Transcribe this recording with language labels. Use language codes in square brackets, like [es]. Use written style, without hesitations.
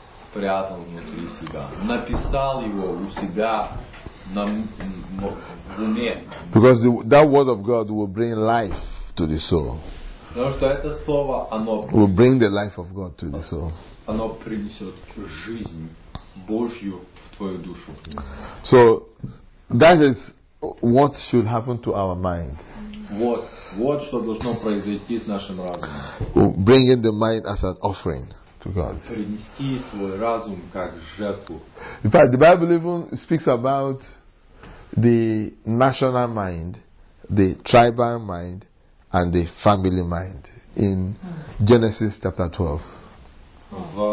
[ru] Спрятал внутри себя, написал его у себя на уме. [en] Because that word of God will bring life to the soul. [ru] Потому что это слово, оно [en] will bring the life of God to the soul. [ru] Оно принесет жизнь Божью в твою душу. [en] So that is what should happen to our mind. [ru] Вот что должно произойти с нашим разумом. [en] Bringing the mind as an offering. To God. [ru] Принести свой разум как жертву. [en] In fact, the Bible even speaks about the national mind, the tribal mind, and the family mind in Genesis chapter 12.